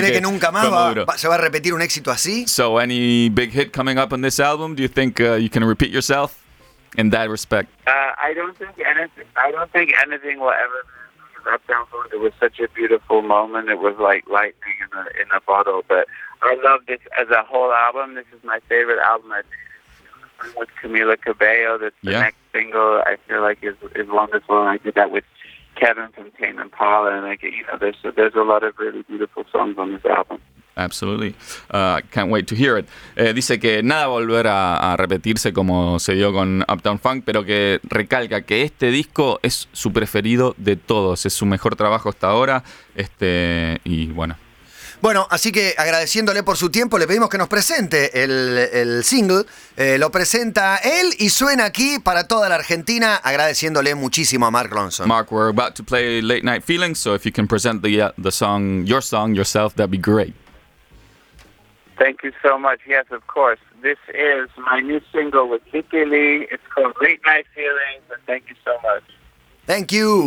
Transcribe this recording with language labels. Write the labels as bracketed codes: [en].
[es] que nunca más se va a repetir un éxito así. [en] So any big hit coming up on this album, do you think you can repeat yourself in that respect? I don't think anything will ever that sound for it. It was such a beautiful moment. It was like lightning in a bottle. But I love this as a whole album. This is my favorite album. With Camila Cabello, that's the next single. I feel like is wonderful. And I did that with Kevin from Tame Impala, and like there's a lot of really beautiful songs on this album. Absolutely. Can't wait to hear it. [es] Dice que nada volver a repetirse como se dio con Uptown Funk, pero que recalca que este disco es su preferido de todos. Es su mejor trabajo hasta ahora. Y bueno. Bueno, así que agradeciéndole por su tiempo, le pedimos que nos presente el single. Lo presenta él y suena aquí para toda la Argentina, agradeciéndole muchísimo a Mark Ronson. [en] Mark, we're about to play Late Night Feelings, so if you can present the song, your song, yourself, that'd be great. Thank you so much. Yes, of course. This is my new single with Kiki Lee. It's called Late Night Feelings, and thank you so much. Thank you.